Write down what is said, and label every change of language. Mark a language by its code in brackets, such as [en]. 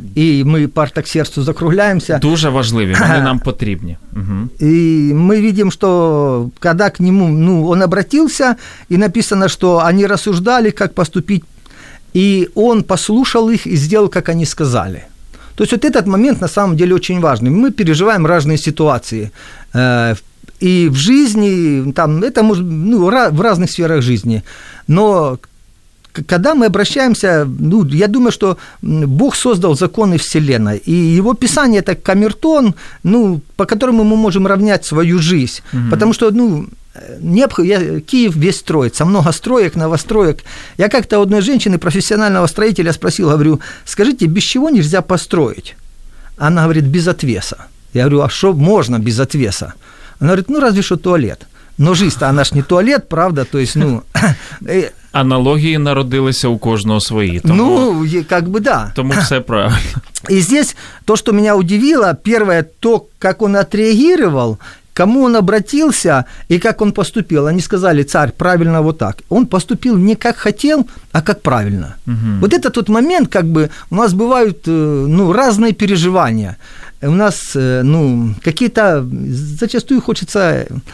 [uk] І ми по Артаксерксу закругляємося. Дуже важливі, вони нам потрібні. Угу. І ми бачимо, що коли к нему, ну, он обратився, і написано, що вони розсуждали, як поступити, і он послушав їх і зробив, як вони сказали. [ru] То есть вот этот момент на самом деле очень важный. Мы переживаем разные ситуации. И в жизни, там, это может, ну, в разных сферах жизни. Но когда мы обращаемся, ну, я думаю, что Бог создал законы Вселенной. И его Писание – это камертон, ну, по которому мы можем равнять свою жизнь. Mm-hmm. Потому что, ну, Киев весь строится, много строек, новостроек. Я как-то одной женщины, профессионального строителя, спросил, говорю, скажите, без чего нельзя построить? Она говорит, без отвеса. Я говорю, а что можно без отвеса? Она говорит, ну, разве что туалет. Но жизнь-то, она ж не туалет, правда? То есть, ну... [uk] Аналогії народилися у кожного свої. Тому, [ru] ну, как бы да. [uk] Тому все правильно. [ru] И здесь то, что меня удивило, первое, то, как он отреагировал, кому он обратился и как он поступил. Они сказали, царь, правильно вот так. Он поступил не как хотел, а как правильно. Угу. Вот это тот момент, как бы у нас бывают ну, разные переживания. У нас ну, какие-то, зачастую хочется